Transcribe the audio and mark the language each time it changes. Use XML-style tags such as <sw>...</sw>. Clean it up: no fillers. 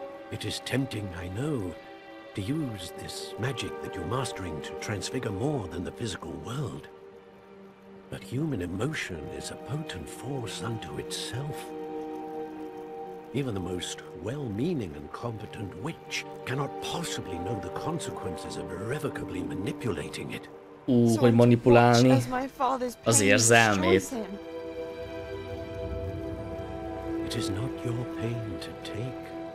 <en>It is tempting, I know, to use this magic that you're mastering to transfigure more than the physical world. But human emotion is a potent force unto itself. Even the most well-meaning and competent witch cannot possibly know the consequences of irrevocably manipulating it.</en> <hu>Hogy manipulálni az érzelmét.</hu> <en>It is not your pain to take.</en>